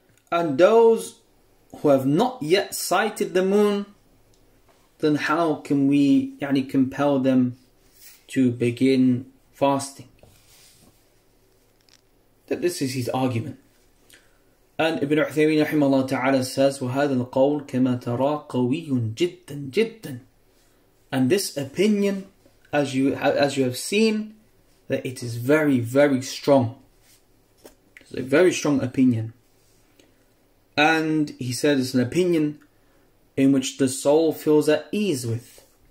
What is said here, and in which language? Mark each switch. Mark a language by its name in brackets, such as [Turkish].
[English] And those who have not yet sighted the moon, then how can we compel them to begin fasting? That this is his argument. And Ibn Uthaymeen rahimahullah ta'ala says, [Arabic] وَهَذَا الْقَوْلِ كَمَا تَرَى قَوِيٌّ جِدًّا جِدًّا. [English] And this opinion, as you have seen, that it is very, very strong. It's a very strong opinion. And he said it's an opinion in which the soul feels at ease with.